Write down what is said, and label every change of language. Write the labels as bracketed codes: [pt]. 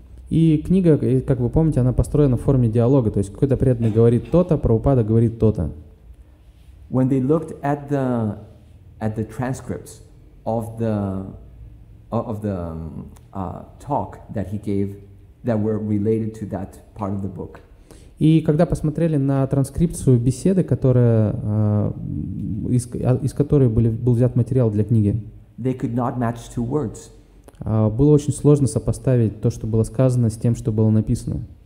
[ru] И книга, как вы помните, она построена в форме диалога, то есть какой-то преданный говорит то-то, Прабхупада говорит то-то. [en] When they looked at the transcripts of the talk that he gave that were related to that part of the book. [ru] И когда посмотрели на транскрипцию беседы, которая из которой был взят материал для книги. [en] They could not match two words. [ru] Было очень сложно сопоставить то, что было сказано, с тем, что было написано.